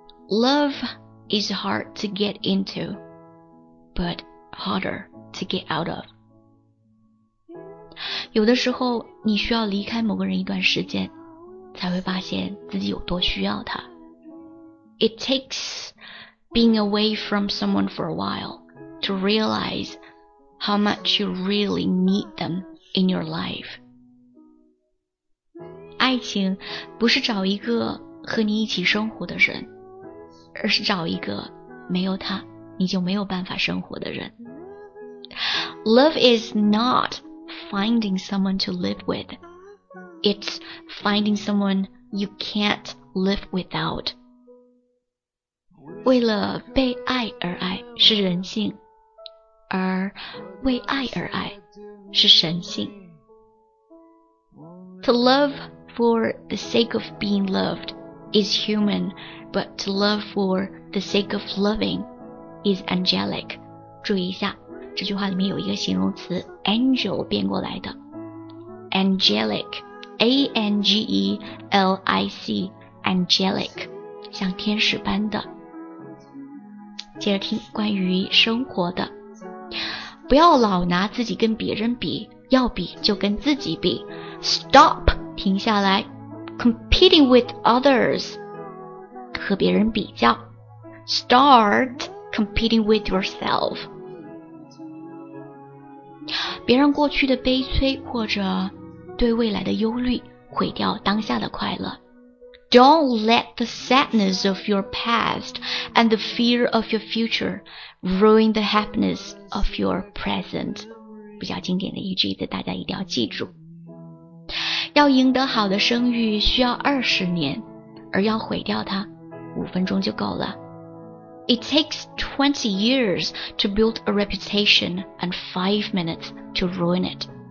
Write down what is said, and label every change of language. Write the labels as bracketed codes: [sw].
[en] Love is hard to get into, but harder to get out of. [zh] 有的时候，你需要离开某个人一段时间，才会发现自己有多需要他。 [en] It takes being away from someone for a while to realize how much you really need them. In your life， [zh] 爱情不是找一个和你一起生活的人，而是找一个没有他你就没有办法生活的人。 [en] Love is not finding someone to live with. It's finding someone you can't live without. [zh] 为了被爱而爱是人性，而为爱而爱是神性。 [en] To love for the sake of being loved is human, but to love for the sake of loving is angelic. [zh] 注意一下，这句话里面有一个形容词 angel 变过来的。 [en] Angelic, A-N-G-E-L-I-C, angelic, [zh] 像天使般的。接着听关于生活的。不要老拿自己跟别人比，要比就跟自己比。 [en] Stop， [zh] 停下来。 [en] Competing with others， [zh] 和别人比较。 [en] Start competing with yourself。 [zh] 别让过去的悲催或者对未来的忧虑毁掉当下的快乐。 [en] Don't let the sadness of your past and the fear of your future ruin the happiness of your present. [zh] 比较经典的一句子，大家一定要记住。要赢得好的声誉需要20年，而要毁掉它5分钟就够了。 [en] It takes 20 years to build a reputation and 5 minutes to ruin it.